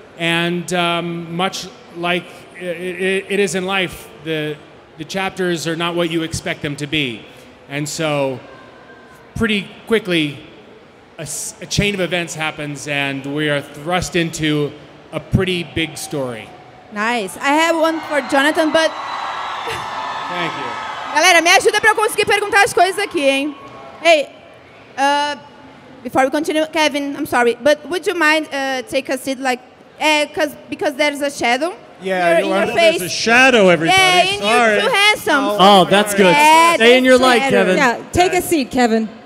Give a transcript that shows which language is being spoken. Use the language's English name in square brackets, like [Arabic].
[English] And much like it is in life, the chapters are not what you expect them to be, and so pretty quickly a chain of events happens, and we are thrust into a pretty big story. Nice. I have one for Jonathan, but... Thank you. [Portuguese] Galera, me ajuda pra eu conseguir perguntar as coisas aqui, hein? [English] Hey, before we continue, Kevin, I'm sorry, but would you mind take a seat, like... Because there's a shadow. Yeah, in your face. There's a shadow, everybody. Yeah, sorry. And you're too handsome. Oh, that's good. Yeah, stay that's in your light, shadow. Kevin. Yeah, take a seat, Kevin.